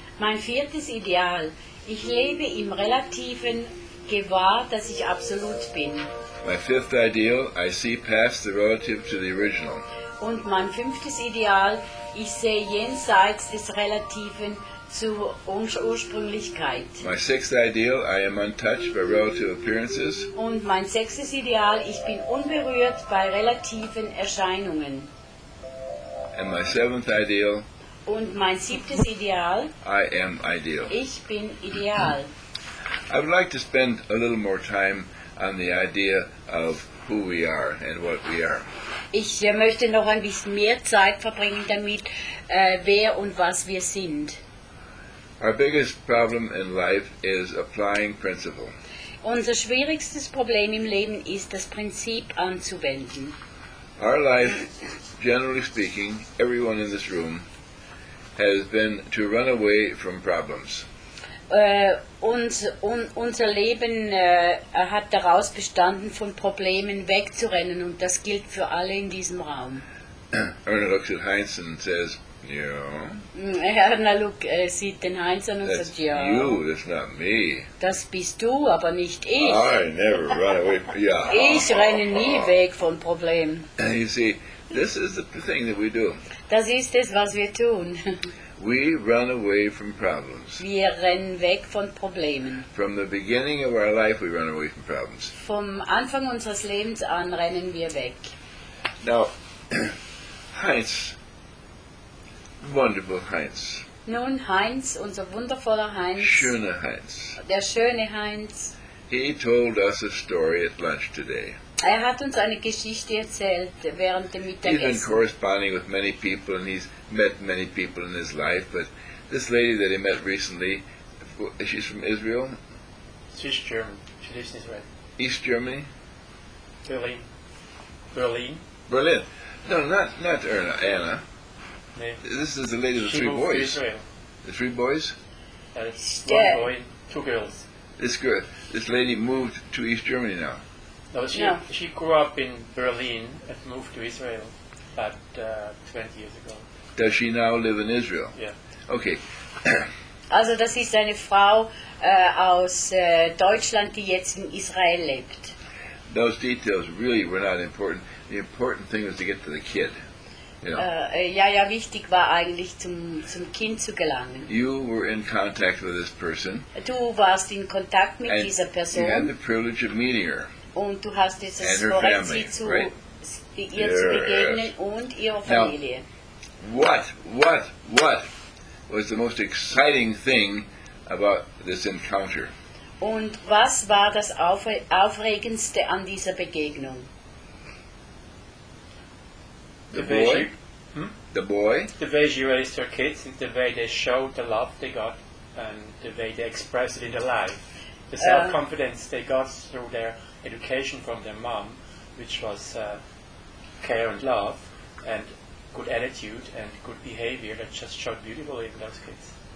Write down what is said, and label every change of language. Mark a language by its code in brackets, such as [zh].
[de] Mein viertes Ideal, ich lebe im relativen Gewahr, dass ich absolut bin. [en] My fifth ideal, I see past the relative to the original. [de] Und mein fünftes Ideal, ich sehe jenseits des Relativen zur Ursprünglichkeit. [en] My sixth ideal, I am untouched by relative appearances. [de] Und mein sechstes Ideal, ich bin unberührt bei relativen Erscheinungen. [en] And my seventh ideal, [de] und mein siebtes Ideal, [en] I am ideal. [de] Ich bin ideal. [en] I would like to spend a little more time on the idea of who we are and what we are. [de] Ich möchte noch ein bisschen mehr Zeit verbringen damit, wer und was wir sind. [en] Our biggest problem in life is applying principle. [de] Unser schwierigstes Problem im Leben ist, das Prinzip anzuwenden. [en] Our life, generally speaking, everyone in this room, has been to run away from problems. [de] Unser Leben hat daraus bestanden, von Problemen wegzurennen, und das gilt für alle in diesem Raum. [en] Erna looks at Heinz and says, yeah. [de] Erna sieht den Heinz an und [en] that's [de] sagt, ja. [en] You, that's not me. [de] Das bist du, aber nicht ich. [en] I never run away from, yeah. [de] Ich renne nie weg von Problemen. [en] You see, this is the thing that we do. [de] Das ist es, was wir tun. [en] We run away from problems. [de] Wir rennen weg von Problemen. [en] From the beginning of our life, we run away from problems. [de] Vom Anfang unseres Lebens an rennen wir weg. [en] Now, Heinz, wonderful Heinz. [de] Nun, Heinz, unser wundervoller Heinz. Schöner Heinz. Der schöne Heinz. [en] He told us a story at lunch today. [de] Er hat uns eine Geschichte erzählt während dem Mittagessen. [en] He's been corresponding with many people and he's met many people in his life, but this lady that he met recently, she's from Israel? She's German. She lives in Israel. East Germany? Berlin. Berlin. No, not Erna, Anna. Yeah. This is the lady with she three moved boys. Israel. The three boys? One boy, two girls. This girl, this lady moved to East Germany now. No, she grew up in Berlin and moved to Israel about 20 years ago. Does she now live in Israel? Yeah. Okay. [de] Also, das ist eine Frau aus Deutschland, die jetzt in Israel lebt. [en] Those details really were not important. The important thing was to get to the kid. You know. [de] Wichtig war eigentlich zum Kind zu gelangen. [en] You were in contact with this person. [de] Du warst in Kontakt mit dieser Person. [en] You had the privilege of meeting her. [de] Und du hast dieses Vorrecht, sie zu [en] right? [de] ihr zu begegnen und ihrer Familie. [en] Now, What was the most exciting thing about this encounter? [de] Und was war das aufregendste an dieser Begegnung? [en] The boy? The way she raised her kids, the way they showed the love they got, and the way they expressed it in their life. The self-confidence they got through their education from their mom, which was care and love, and good attitude and good behavior that just showed beautifully in those kids.